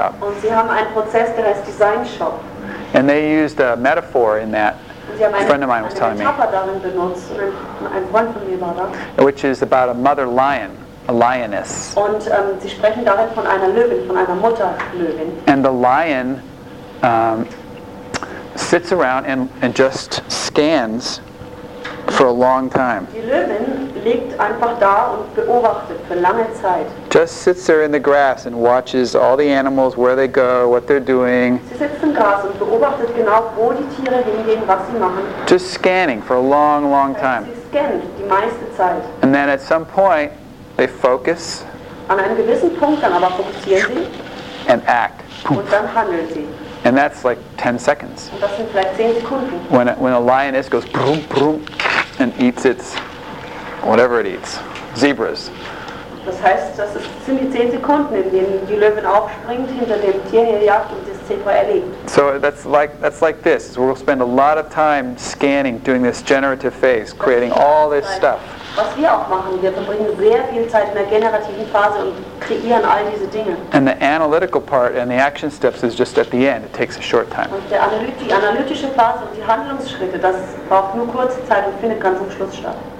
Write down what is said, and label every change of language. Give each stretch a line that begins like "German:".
German: Und sie haben einen Prozess, der heißt Design Shop.
English: And they used a metaphor in that. A friend of mine was telling me, which is about a mother lion, a lioness.
German: Und sie sprechen darin von einer Löwin, von einer Mutterlöwin.
English: And the lion sits around and just scans for a long time.
German: Die Löwin liegt einfach da und beobachtet für lange Zeit.
English: Just sits there in the grass and watches all the animals, where they go, what they're doing.
German: Sie sitzt im Gras und beobachtet genau, wo die Tiere hingehen, was sie machen.
English: Just scanning for a long, long time.
German: Sie scannt die meiste Zeit.
English: And then at some point, they focus.
German: An einem gewissen Punkt dann aber fokussieren sie.
English: And act.
German: Und dann handeln sie.
English: And that's like 10 seconds.
German: Und das sind vielleicht 10 Sekunden.
English: When a lioness goes brum brum and eats its whatever it eats, zebras.
German: Das heißt, das sind die 10 Sekunden, in denen die Löwin aufspringt hinter dem Tier herjagt und das Zebra erlegt.
English: So that's like this. We'll spend a lot of time scanning, doing this generative phase, creating all this stuff.
German: Was wir auch machen, wir verbringen sehr viel Zeit in der generativen Phase und kreieren all diese Dinge.
English: And the analytical part and the action steps is just at the end. It takes a short time.
German: Und die analytische Phase und die Handlungsschritte, das braucht nur kurze Zeit und findet ganz am Schluss statt.